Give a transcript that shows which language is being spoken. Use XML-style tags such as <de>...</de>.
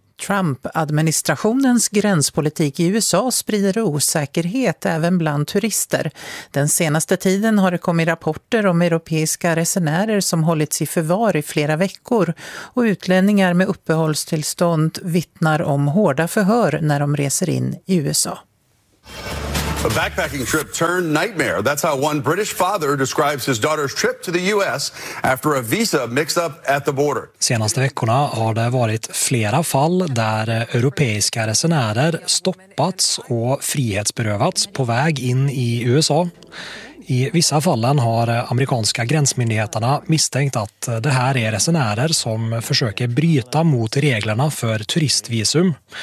<sv>Trump-administrationens gränspolitik i USA sprider osäkerhet även bland turister. Den senaste tiden har det kommit rapporter om europeiska resenärer som hållits i förvar i flera veckor. Och utlänningar med uppehållstillstånd vittnar om hårda förhör när de reser in i USA.</sv> <en>A backpacking trip turned nightmare. That's how one British father describes his daughter's trip to the US after a visa mix-up at the border.</en> <sv>Senaste veckorna har det varit flera fall där europeiska resenärer stoppats och frihetsberövats på väg in i USA. I vissa fallen har amerikanska gränsmyndigheterna misstänkt att det här är resenärer som försöker bryta mot reglerna för turistvisum.</sv>